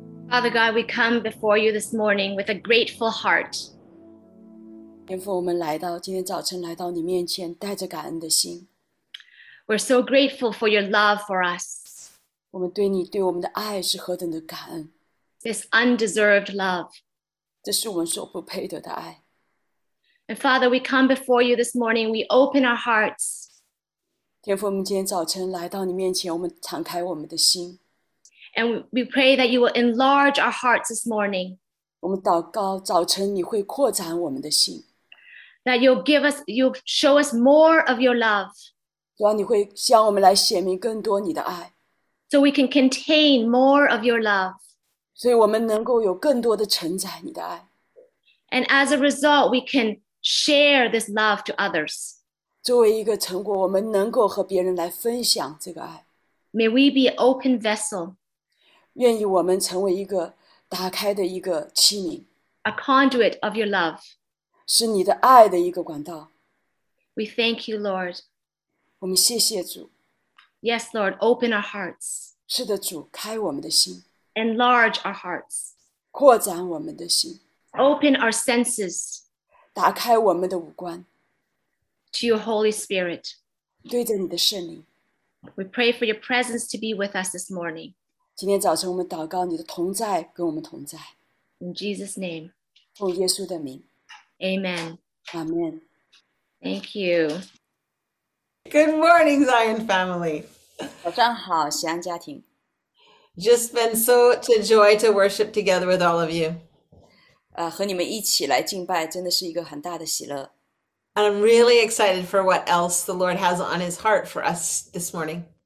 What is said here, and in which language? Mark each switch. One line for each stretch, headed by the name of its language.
English: Father God, we come before you this morning with a grateful heart.
Chinese: 天父, 我们来到今天早晨来到你面前, 带着感恩的心。
English: We're so grateful for your love for us.
Chinese: 我们对你, 对我们的爱是何等的感恩。
English: This undeserved love.
Chinese: 这是我们所不配得的爱。
English: And Father, we come before you this morning, we open our hearts.
Chinese: 天父, 我们今天早晨来到你面前, 我们敞开我们的心。
English: And we pray that you will enlarge our hearts this morning.
Chinese: 我们祷告, 早晨你会扩展我们的心。
English: That you'll give us, you'll show us more of your love.
Chinese: 主啊,你会向我们来显明更多你的爱。
English: So we can contain more of your love.
Chinese: 所以我们能够有更多的承载你的爱。
English: And as a result, we can share this love to others.
Chinese: 作为一个成果, 我们能够和别人来分享这个爱。
English: May we be an open vessel.
Chinese: 愿意我们成为一个打开的一个器皿,
English: a conduit of your love.
Chinese: 是你的爱的一个管道。
English: We thank you, Lord.
Chinese: 我们谢谢主。
English: Yes, Lord, open our hearts.
Chinese: 是的,主, 开我们的心。
English: Enlarge our hearts.
Chinese: 扩展我们的心。
English: Open our senses.
Chinese: 打开我们的五官。
English: To your Holy Spirit.
Chinese: 对着你的圣灵。
English: We pray for your presence to be with us this morning.
Chinese: 今天早晨我们祷告, 你的同在跟我们同在。
English: In Jesus' name.
Chinese: 奉耶稣的名。
English: Amen. Amen. Thank you. Good morning, Zion family.
Chinese: 早上好, 西安家庭。
English: Just been so a joy to worship together with all of you.
Chinese: 和你们一起来敬拜, 真的是一个很大的喜乐。
English: And I'm really excited for what else the Lord has on his heart for us this morning.